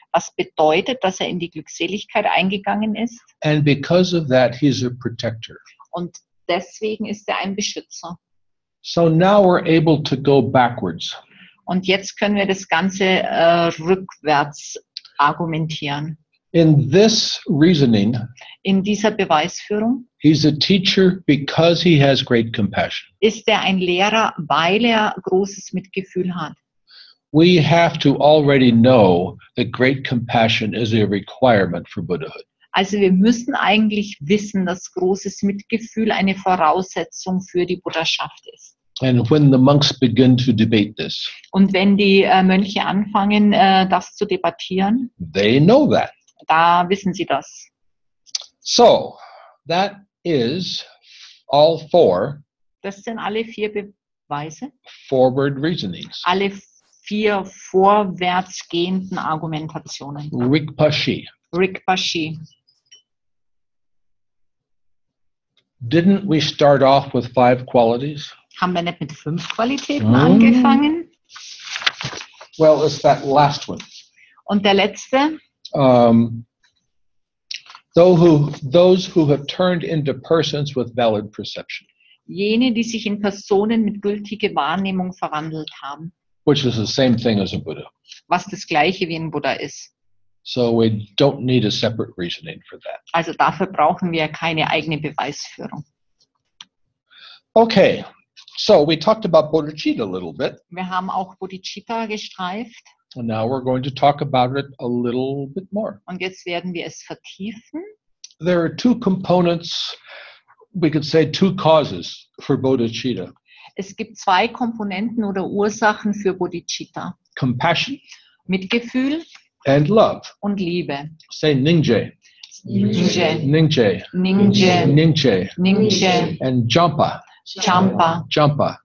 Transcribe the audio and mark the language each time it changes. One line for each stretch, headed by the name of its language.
German: Was bedeutet, dass er in die Glückseligkeit eingegangen ist.
English: And because of that he's a protector.
German: Und deswegen ist er ein Beschützer.
English: So now we're able to go backwards.
German: Und jetzt können wir das Ganze rückwärts argumentieren.
English: In this reasoning,
German: in dieser Beweisführung,
English: he's a teacher because he has great compassion.
German: Ist er ein Lehrer, weil er großes Mitgefühl hat.
English: We have to already know that great compassion is a requirement for Buddhahood.
German: Also wir müssen eigentlich wissen, dass großes Mitgefühl eine Voraussetzung für die Buddhaschaft ist.
English: And when the monks begin to debate this,
German: und wenn die Mönche anfangen, das zu debattieren,
English: they know that.
German: Da wissen sie das.
English: So, that is all four.
German: Das sind alle vier Beweise.
English: Forward reasonings.
German: Alle vier vorwärtsgehenden Argumentationen.
Tibetan: Rikpashi. Rikpashi.
English: Didn't we start off with five qualities?
German: Haben wir nicht mit 5 Qualitäten angefangen?
English: Well, it's that last one.
German: Und der letzte?
English: Those who have turned into persons with valid perception.
German: Jene, die sich in Personen mit gültiger Wahrnehmung verwandelt haben.
English: Which is the same thing as a Buddha.
German: Was das gleiche wie ein Buddha ist.
English: So we don't need a separate reasoning for that.
German: Also dafür brauchen wir keine eigene Beweisführung.
English: Okay. So we talked about bodhicitta a little bit.
German: Wir haben auch bodhicitta gestreift.
English: And now we're going to talk about it a little bit more.
German: Und jetzt werden wir es vertiefen.
English: There are two components, we could say two causes for bodhicitta.
German: Es gibt zwei Komponenten oder Ursachen für bodhicitta.
English: Compassion,
German: Mitgefühl,
English: and love,
German: und Liebe.
English: Say ningje.
Tibetan: Ningje. Ningje. Ningje. Ningje. Ningje.
English: And jhampa.
Tibetan: Champa. Champa.